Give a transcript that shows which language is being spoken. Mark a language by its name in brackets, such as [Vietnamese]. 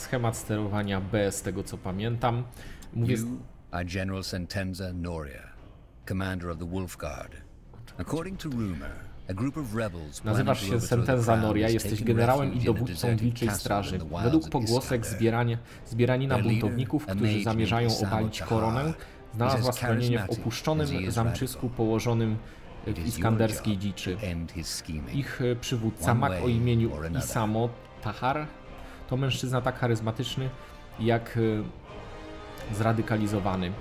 [Polish] Schemat sterowania B, z tego co pamiętam. Mówię... [English] You are General Sentenza Noria, commander of the Wolfguard. According to rumor, a group of rebels... [Polish] Nazywasz się Sentenza Noria, jesteś generałem i dowódcą Wilczej Straży. Według pogłosek zbieranina buntowników, którzy zamierzają obalić koronę, znalazła schronienie w opuszczonym zamczysku położonym w iskanderskiej dziczy. Ich przywódca, mag o imieniu Isamo Tahar, to mężczyzna tak charyzmatyczny, jak zradykalizowany.